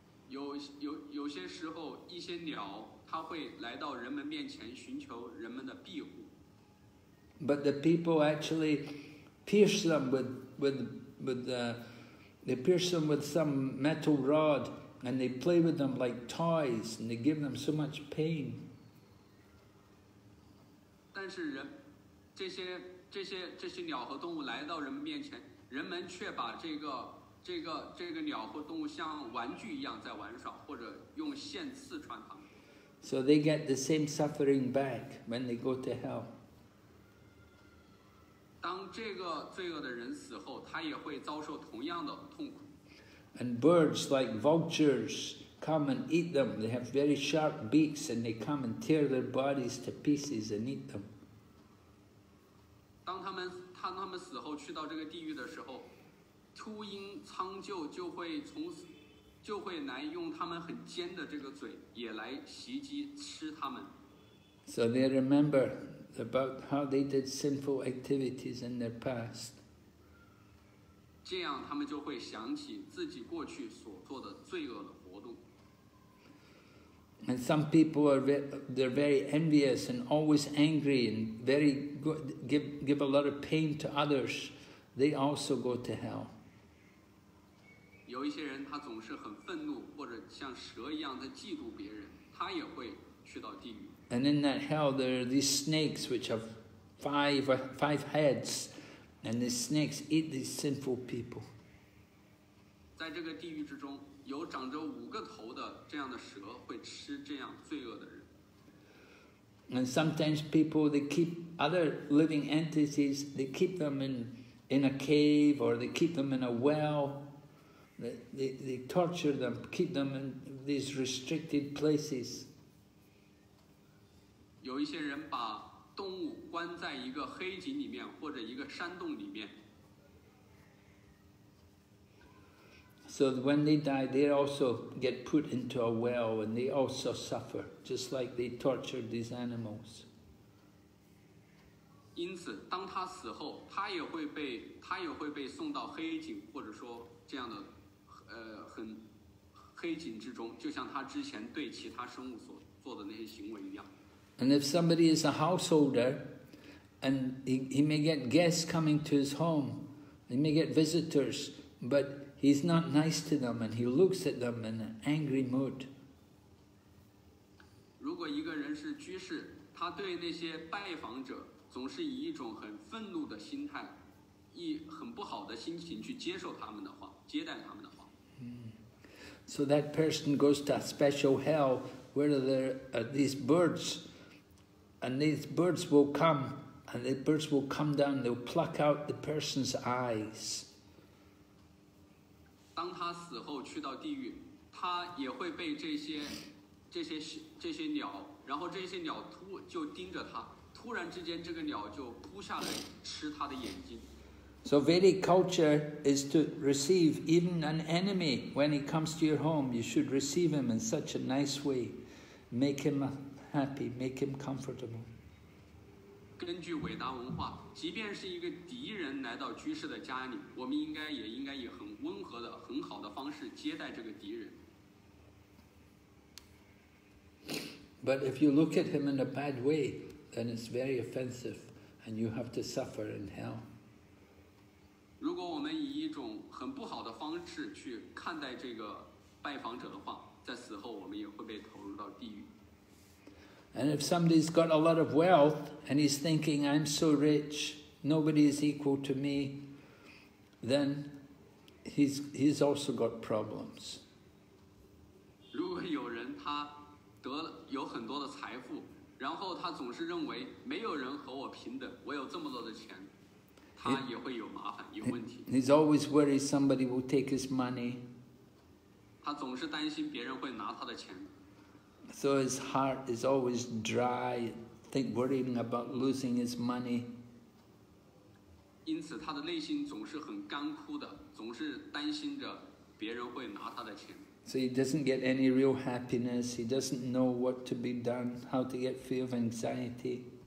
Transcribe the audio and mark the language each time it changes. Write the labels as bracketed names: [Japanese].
[Chinese] 有些时候一些鸟他会来到人们面前寻求人们的庇护。 [English] But the people actually pierce them they pierce them with some metal rod and they play with them like toys and they give them so much pain. [Chinese] 但是人这些鸟和动物来到人们面前，人们却把这个鸟和动物像玩具一样在玩耍，或者用线刺穿它们。 [English] So they get the same suffering back when they go to hell. [Chinese] 当这个罪恶的人死后，他也会遭受同样的痛苦。 [English] And birds like vultures come and eat them. They have very sharp beaks and they come and tear their bodies to pieces and eat them. [Chinese] 当他们死后去到这个地狱的时候，秃鹰、苍鹫就会来用他们很尖的这个嘴也来袭击吃他们。 [English] So they remember about how they did sinful activities in their past. [Chinese] 这样他们就会想起自己过去所做的罪恶的活动。 [English] And some people they're very envious and always angry and very good, give a lot of pain to others. They also go to hell. [Chinese] 有一些人他总是很愤怒，或者像蛇一样在嫉妒别人，他也会去到地狱。 [English] And in that hell, there are these snakes which have five heads, and these snakes eat these sinful people. [Chinese] 在这个地狱之中，有长着五个头的这样的蛇会吃这样罪恶的人。 [English] And sometimes people they keep other living entities, they keep them in a cave or they keep them in a well. They torture them, keep them in these restricted places. [Chinese] 有一些人把动物关在一个黑井里面或者一个山洞里面。 [English] So when they die, they also get put into a well and they also suffer, just like they tortured these animals. [Chinese] 因此当他死后他也会被送到黑井，或者说这样的很黑井之中，就像他之前对其他生物所做的那些行为一样。 [English] And if somebody is a householder and he may get guests coming to his home, he may get visitors, but he's not nice to them and he looks at them in an angry mood. [Chinese] 如果一个人是居士，他对那些拜访者总是以一种很愤怒的心态，以很不好的心情去接受他们的话，接待他们的话。 [English] So that person goes to a special hell where there are these birds, and these birds will come, and the birds will come down, they'll pluck out the person's eyes. [Chinese] 当他死后去到地狱，他也会被这些鸟，然后这些鸟就盯着他。突然之间这个鸟就扑下来吃他的眼睛。 [English] So Vedic culture is to receive even an enemy when he comes to your home. You should receive him in such a nice way. Make him happy, make him comfortable. [Chinese] 根据伟达文化，即便是一个敌人来到居士的家里，我们应该以很温和的很好的方式接待这个敌人。 [English] But if you look at him in a bad way,then it's very offensive and you have to suffer in hell. [Chinese] 如果我们以一种很不好的方式去看待这个拜访者的话，在死后我们也会被投入到地狱。 [English] And if somebody's got a lot of wealth and he's thinking, I'm so rich, nobody is equal to me, then he's also got problems. [Chinese] 如果有人他得了有很多的财富，然后他总是认为没有人和我平等，我有这么多的钱，他也会有麻烦，有问题。 [English] He's always worried somebody will take his money. [Chinese] 他总是担心别人会拿他的钱。 [English] So his heart is always dry, think worrying about losing his money. [Chinese] 因此他的内心总是很干枯的，总是担心着别人会拿他的钱。 [English] So he doesn't get any real happiness, he doesn't know what to be done, how to get free of anxiety.